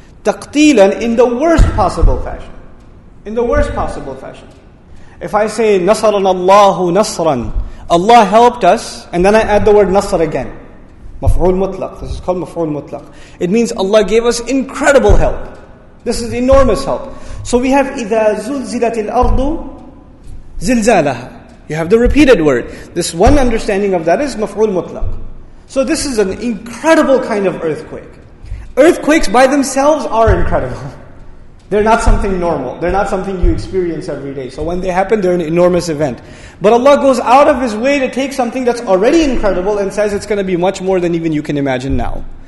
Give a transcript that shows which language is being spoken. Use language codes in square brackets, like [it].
[en] تَقْتِيلًا, in the worst possible fashion. In the worst possible fashion. If I say, [ar] نَصَرَنَ اللَّهُ نَصْرًا, [en] Allah helped us, and then I add the word نَصَر again. [ar] مَفْعُول مُطْلَق. [en] This is called مَفْعُول مُطْلَق. It means Allah gave us incredible help. This is enormous help. So we have [ar] إِذَا زُلْزِلَتِ الْأَرْضُ زِلْزَالَهَا. [en] You have the repeated word. This one understanding of that is مَفْعُول مُطْلَق. So this is an incredible kind of earthquake. Earthquakes by themselves are incredible. They're not something normal. They're not something you experience every day. So when they happen, they're an enormous event. But Allah goes out of His way to take something that's already incredible and says it's going to be much more than even you can imagine now.